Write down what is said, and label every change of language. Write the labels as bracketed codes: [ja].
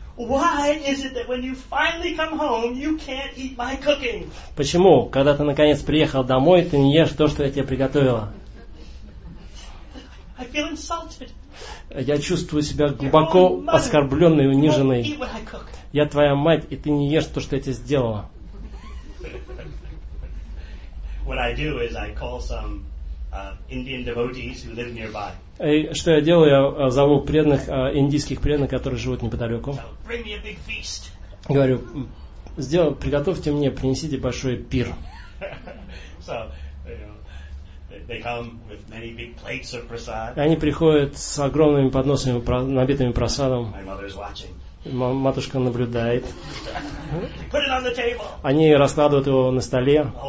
[ru] Почему, когда ты наконец приехал домой, ты не ешь то, что я тебе приготовила? [en] I feel insulted. [ru] Я чувствую себя глубоко оскорбленной и униженной. Я твоя мать, и ты не ешь то, что я тебе сделала. [en] What I do is I call some Indian devotees who live nearby. [ru] И что я делаю, я зову преданных, индийских преданных, которые живут неподалеку. [en] So bring me a big feast. [ru] Говорю, приготовьте мне, принесите большой пир. [en] So, they come with many big plates of prasad. [ru] Они приходят с огромными подносами, набитыми прасадом. [en] My mother's watching. [ru] Матушка наблюдает. [en] Put it on the table. [ru] Они раскладывают его на столе.